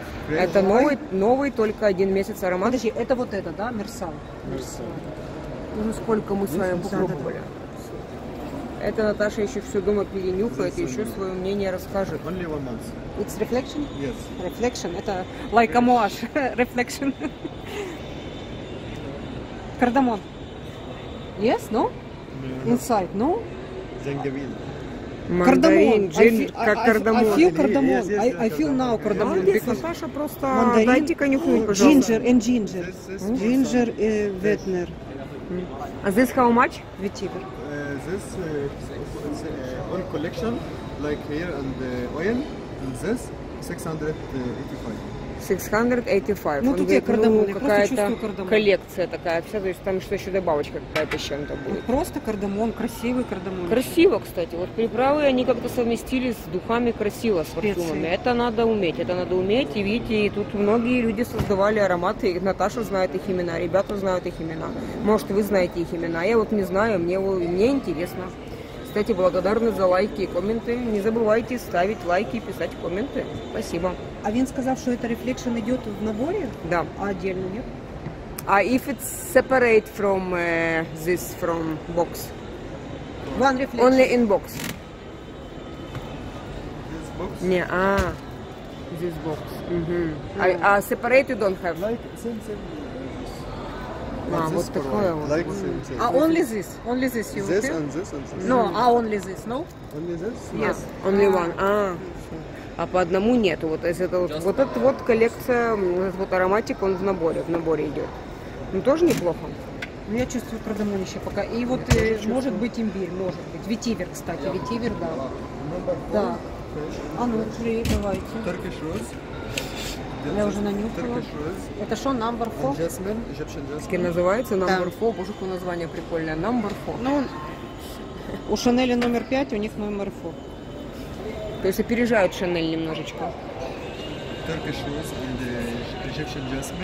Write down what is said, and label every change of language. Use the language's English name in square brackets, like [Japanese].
[Russian] Это новый только один месяц аромат. Подожди, это вот это, да, Мерсал? Мерсал. Ну, сколько мы с вами попробовали. Это Наташа еще все дома перенюхает и еще свое мнение расскажет. [English] Only one month. It's reflection? Yes. Reflection. [Russian] Это [English] like a moash. Reflection. Кардамон. Yes? No? Inside? No? [Russian] Зенгевин. Кардамон. Как кардамон. [English] I feel кардамон. I feel now кардамон. [Russian] Наташа просто... Дайте-ка нюхнуть, пожалуйста. [English] Ginger and ginger. [Russian] Ginger и ветнер. [English] А this how much? [Russian] Витивер. [English] This is one collection, like here and the oil, and this, 685. [Russian] Ну, тут я кардамон, я просто чувствую кардамон. Коллекция такая вся, то есть там что еще добавочка какая-то с чем-то будет. Просто кардамон, красивый кардамон. Красиво, кстати. Вот приправы они как-то совместили с духами красиво, с парфюмами. Это надо уметь. И видите, и тут многие люди создавали ароматы. И Наташа знает их имена, ребята знают их имена. Может, вы знаете их имена. Я вот не знаю, мне интересно. Кстати, благодарны за лайки и комменты. Не забывайте ставить лайки и писать комменты. Спасибо. А Вин сказал, что это рефлекшн идет в наборе? Да. А отдельно нет? [English] А if it's separate from this, from box? One reflection. Only in box. This box? [Russian] Не, а. [English] This box. Mm-hmm. Yeah. А separate you don't have? Like, same. [Russian] А, вот такое вот. [English] Like same. А, only this, you this okay? This and this and this. No, а only this, no? Only this? No. Yes. Only one, [Russian] А по одному нету. Вот это вот, вот этот вот коллекция, этот вот ароматик, он в наборе идет. Ну, тоже неплохо. Я чувствую кардамон еще пока. И вот, может быть, имбирь, может быть. Витивер, кстати, yeah. Витивер, да. Four, да. А ну, три, давайте. [English] Turkish rose. [Russian] Я уже нанюхала. Это что, [English] number 4? Jasmine. [Russian] С кем называется? [English] Number 4. [Russian] Боже, какое название прикольное. [English] Number 4. [Russian] Ну, у Шанели номер 5, у них номер 4. То есть опережают Шанель немножечко. [English] Turkish rose and Egyptian jasmine.